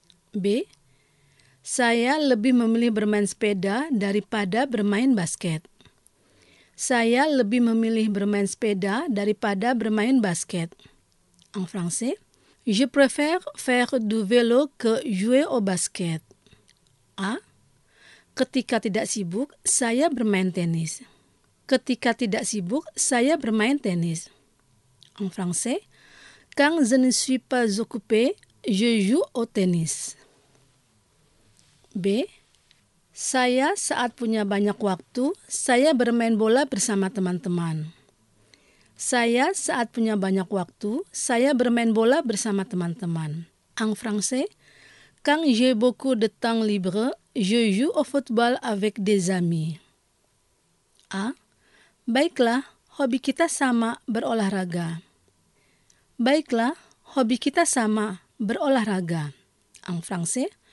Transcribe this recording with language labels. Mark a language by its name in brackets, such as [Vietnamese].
[Indonesian] B. Saya lebih memilih bermain sepeda daripada bermain basket. Saya lebih memilih bermain sepeda daripada bermain basket. [French] En français, je préfère faire du vélo que jouer au basket. A. [Indonesian] Ketika tidak sibuk, saya bermain tenis. Ketika tidak sibuk, saya bermain tenis. [French] En français, quand je ne suis pas occupé, je joue au tennis. B. [Indonesian] Saya saat punya banyak waktu, saya bermain bola bersama teman-teman. Saya saat punya banyak waktu, saya bermain bola bersama teman-teman. [French] En français, quand j'ai beaucoup de temps libre, je joue au football avec des amis. [Indonesian] A. Baiklah, hobi kita sama, berolahraga. Baiklah, hobi kita sama, berolahraga. [French] En français.